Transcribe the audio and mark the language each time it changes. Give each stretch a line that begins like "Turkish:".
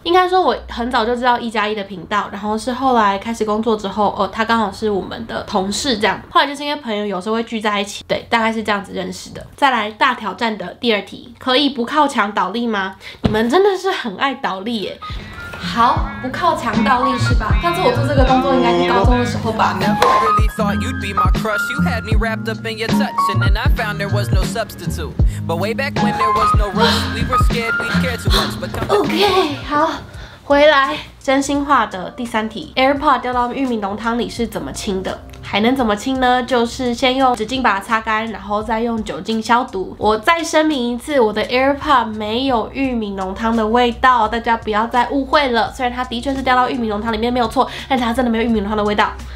Chinese: 应该说我很早就知道一加一的频道，然后是后来开始工作之后，他刚好是我们的同事这样，后来就是因为朋友有时候会聚在一起，对，大概是这样子认识的。再来大挑战的第二题，可以不靠墙倒立吗？你们真的是很爱倒立耶。好，不靠墙倒立是吧？上次我做这个动作应该是高中的时候吧。
English: Thought you'd be my crush, you had me wrapped up in your touch, and then I found there was no substitute. But way back when there was no rush, we were scared we'd care too much. But come OK,
Chinese: 好，回来。真心话的第三题 ，AirPod 掉到玉米浓汤里是怎么清的？还能怎么清呢？就是先用纸巾把它擦干，然后再用酒精消毒。我再声明一次，我的 AirPod 没有玉米浓汤的味道，大家不要再误会了。虽然它的确是掉到玉米浓汤里面没有错，但它真的没有玉米浓汤的味道。